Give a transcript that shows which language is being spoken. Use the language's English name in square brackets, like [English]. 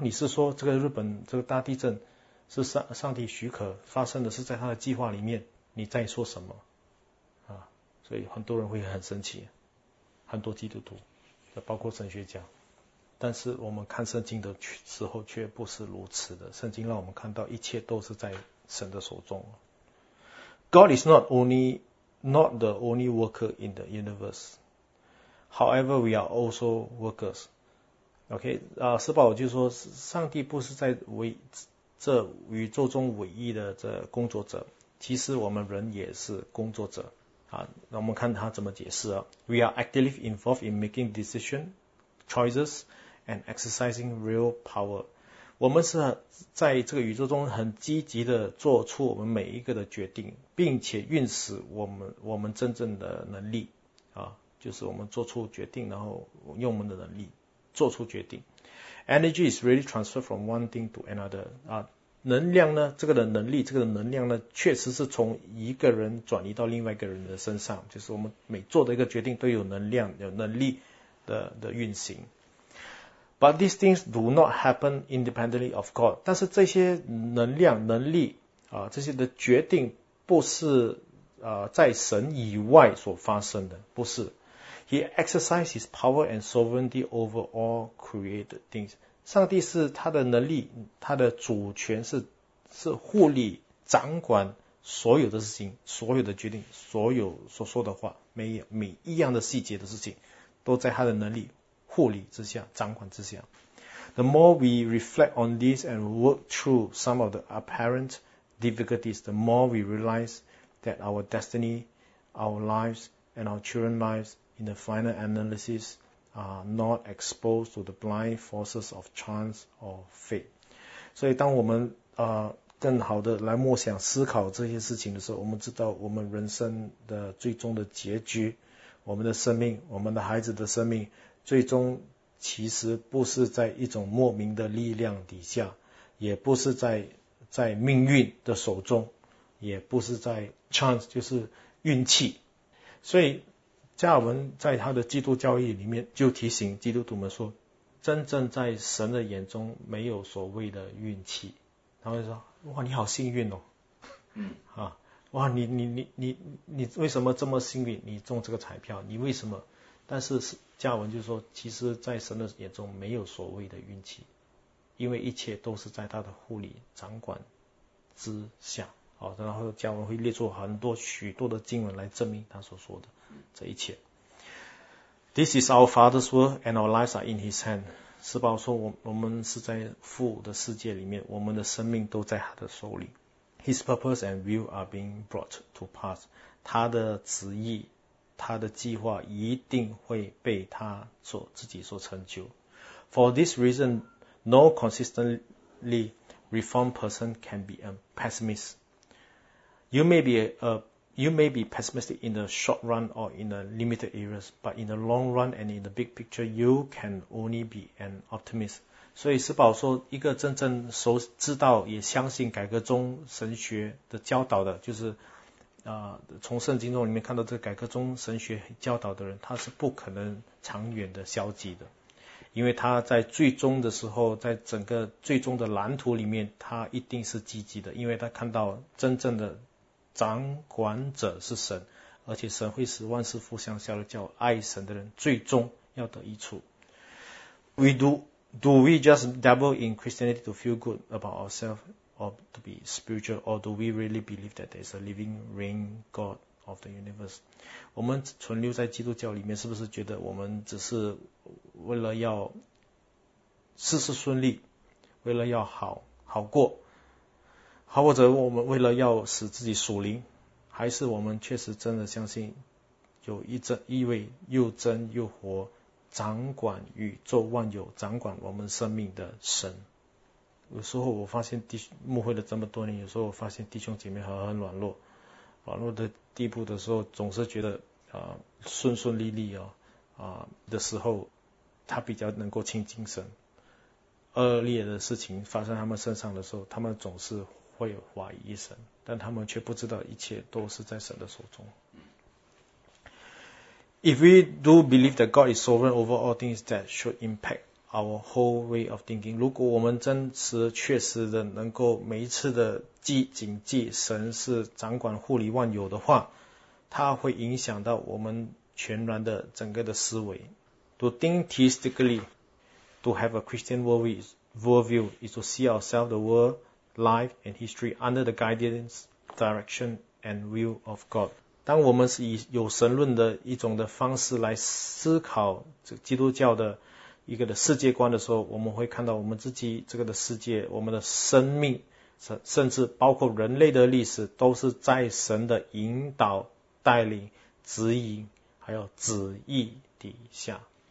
[Chinese] 你是说这个日本这个大地震是上帝许可发生的，是在他的计划里面，你在说什么？所以很多人会很生气，很多基督徒，包括神学家。但是我们看圣经的时候却不是如此的，圣经让我们看到一切都是在神的手中。 [English] God is not the only worker in the universe. However, we are also workers. [Chinese] OK, 施宝就说，上帝不是在这宇宙中唯一的这工作者，其实我们人也是工作者。那我们看他怎么解释啊。 [English] We are actively involved in making decisions, choices, and exercising real power. [Chinese] 我们是在这个宇宙中很积极的做出我们每一个的决定，并且运使我们真正的能力就是我们做出决定，然后用我们的能力做出决定。 [English] Energy is really transferred from one thing to another [Chinese] 能量呢，这个的能力，这个的能量呢，确实是从一个人转移到另外一个人的身上，就是我们每做的一个决定都有能量，有能力的运行。 [English] But these things do not happen independently of God. [Chinese] 但是这些能量、能力这些的决定不是在神以外所发生的，不是。 [English] He exercises his power and sovereignty over all created things. [Chinese] 上帝是他的能力，他的主权是护理、掌管所有的事情、所有的决定、所有所说的话，每一样的细节的事情，都在他的能力。护理之下，掌管之下。 [English] The more we reflect on this and work through some of the apparent difficulties, the more we realize that our destiny, our lives, and our children's lives in the final analysis are not exposed to the blind forces of chance or fate. [Chinese] 所以当我们更好的来默想思考这些事情的时候，我们知道我们人生的最终的结局，我们的生命，我们的孩子的生命，最终其实不是在一种莫名的力量底下，也不是在命运的手中，也不是在 chance 就是运气。所以加尔文在他的基督教义里面就提醒基督徒们说，真正在神的眼中没有所谓的运气。然后就说，哇，你好幸运哦，哇，你为什么这么幸运，你中这个彩票，你为什么？但是加文就说，其实在神的眼中没有所谓的运气，因为一切都是在他的护理掌管之下。然后加文会列出很多许多的经文来证明他所说的这一切。 [English] This is our Father's work and our lives are in His hand. [Chinese] 施宝说，我们是在父的世界里面，我们的生命都在他的手里。 [English] His purpose and will are being brought to pass. [Chinese] 他的旨意，他的计划一定会被他自己所成就。 [English] For this reason, no consistent the reformed person can be a pessimist. You may be pessimistic in the short run or in the limited areas, but in the long run and in the big picture, you can only be an optimist. [Chinese] 所以施保说，一个真正熟知道也相信改革宗神学的教导的，就是从圣经中里面看到这个改革宗神学教导的人，他是不可能长远的消极的，因为他在最终的时候，在整个最终的蓝图里面，他一定是积极的，因为他看到真正的掌管者是神，而且神会使万事互相效力，叫爱神的人最终要得益处。 [English] Do we just dabble in Christianity to feel good about ourselves or to be spiritual, or do we really believe that there is a living, reigning God of the universe? [Chinese] 我们存留在基督教里面，是不是觉得我们只是为了要事事顺利，为了要好好过，或者我们为了要使自己属灵，还是我们确实真的相信有一位又真又活掌管宇宙万有、掌管我们生命的神？有时候我发现牧会了这么多年，有时候我发现弟兄姐妹很软弱，软弱的地步的时候，总是觉得顺顺利利的时候，他比较能够亲近神。恶劣的事情发生他们身上的时候，他们总是会怀疑神，但他们却不知道一切都是在神的手中。 [English] If we do believe that God is sovereign over all things, that should impact our whole way of thinking. [Chinese] 如果我们真实确实的能够每一次的谨记神是掌管护理万有的话，它会影响到我们全然的整个的思维。 [English] To think theistically, to have a Christian worldview is to see ourselves, the world, life and history under the guidance, direction and will of God. [Chinese] 当我们是以有神论的一种的方式来思考这基督教的一个的世界观的时候，我们会看到我们自己这个的世界，我们的生命，甚至包括人类的历史，都是在神的引导、带领、指引还有旨意底下。